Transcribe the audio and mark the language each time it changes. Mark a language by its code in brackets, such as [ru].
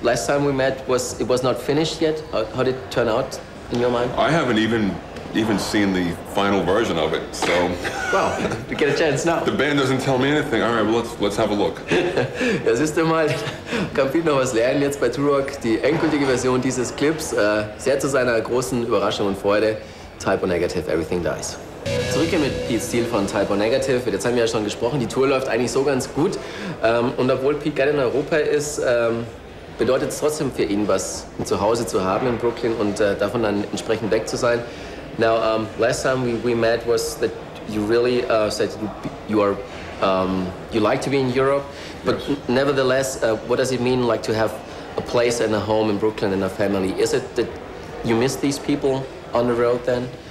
[en] Last time we met, it was not finished yet. How did it turn out in your mind? I haven't even seen the final version of it, so... Well, we get a chance now. The band doesn't tell me anything. All right, well, let's have a look. [de] Ja, siehst du mal, kann Pete noch was lernen jetzt bei 2Rock. Die endgültige Version dieses Clips, sehr zu seiner großen Überraschung und Freude, Type O Negative, Everything Dies. Zurück hier mit Pete Steele von Type O Negative. Jetzt haben wir ja schon gesprochen, die Tour läuft eigentlich so ganz gut. Und obwohl Pete gerade in Europa ist, bedeutet es trotzdem für ihn was, ein Zuhause zu haben in Brooklyn und davon dann entsprechend weg zu sein. [en] Now, last time we met was that you really said you like to be in Europe, but nevertheless, what does it mean like to have a place and a home in Brooklyn and a family? Is it that you miss these people on the road then?